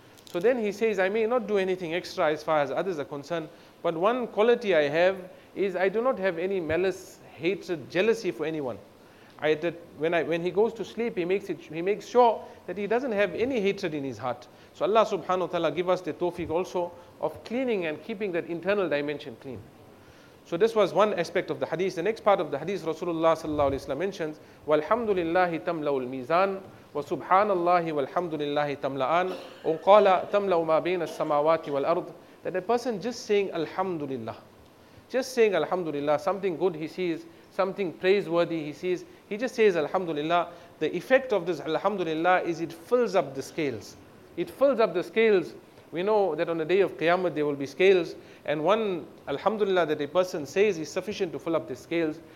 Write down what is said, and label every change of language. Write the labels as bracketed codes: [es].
[en] So then he says, I may not do anything extra as far as others are concerned, but one quality I have is I do not have any malice, hatred, jealousy for anyone. When he goes to sleep, he makes sure that he doesn't have any hatred in his heart. So Allah subhanahu wa ta'ala give us the tawfiq also of cleaning and keeping that internal dimension clean. So this was one aspect of the hadith. The next part of the hadith, Rasulullah sallallahu alayhi wa sallam mentions, [ar] وَالْحَمْدُلِلَّهِ تَمْلَوُ الْمِيزَانِ وَسُبْحَانَ اللَّهِ وَالْحَمْدُ لِلَّهِ تَمْلَآنِ وَقَالَ تَمْلَوُ مَا بَيْنَ السَّمَاوَاتِ وَالْأَرْضِ. [en] That a person just saying Alhamdulillah, just saying Alhamdulillah, something good he sees, something praiseworthy he sees, he just says Alhamdulillah. The effect of this Alhamdulillah is it fills up the scales. It fills up the scales. We know that on the day of Qiyamah there will be scales, and one Alhamdulillah that a person says is sufficient to fill up the scales.